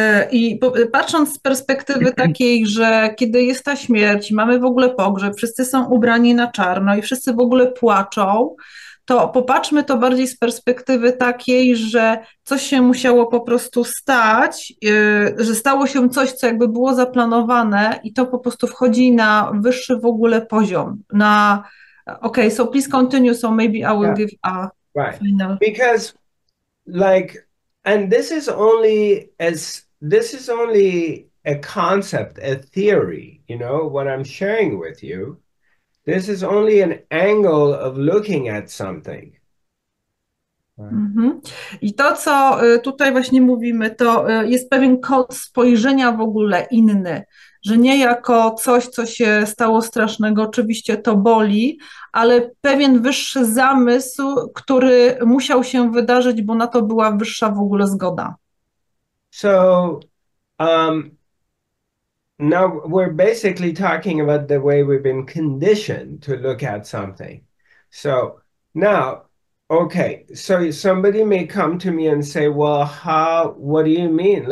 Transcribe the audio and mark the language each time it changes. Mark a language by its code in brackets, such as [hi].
[pl] I patrząc z perspektywy takiej, że kiedy jest ta śmierć, mamy w ogóle pogrzeb, wszyscy są ubrani na czarno i wszyscy w ogóle płaczą, to popatrzmy to bardziej z perspektywy takiej, że coś się musiało po prostu stać, że stało się coś, co jakby było zaplanowane i to po prostu wchodzi na wyższy w ogóle poziom. [en] Na, okay, so please continue, so maybe I will give a final. Because, like, and this is only a concept, a theory, you know, what I'm sharing with you. This is only an angle of looking at something. [pl] I to, co tutaj właśnie mówimy, to jest pewien kąt spojrzenia w ogóle inny, że nie jako coś, co się stało strasznego, oczywiście to boli, ale pewien wyższy zamysł, który musiał się wydarzyć, bo na to była wyższa w ogóle zgoda. [en] So, now we're basically talking about the way we've been conditioned to look at something. So now, okay, so somebody may come to me and say, well, what do you mean?